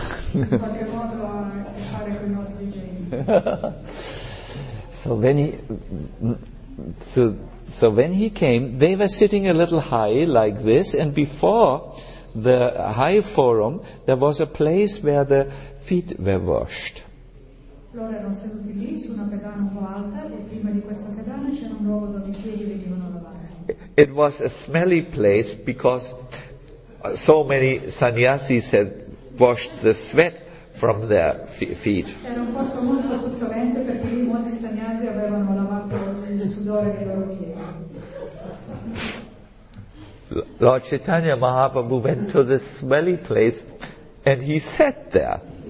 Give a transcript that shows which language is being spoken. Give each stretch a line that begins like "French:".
English: So when he came, they were sitting a little high like this, and before the high forum, there was a place where the feet were washed.
Italian: Loro erano seduti lì su una pedana un po' alta, e prima di questa pedana c'era un luogo dove i piedi venivano lavati.
English: It was a smelly place because so many sannyasis had washed the sweat from their feet.
Italian: Era un posto molto puzzolente perché lì molti sannyasi avevano lavato il sudore dei loro piedi.
English: Lord Chaitanya Mahaprabhu went to this smelly place and he sat there.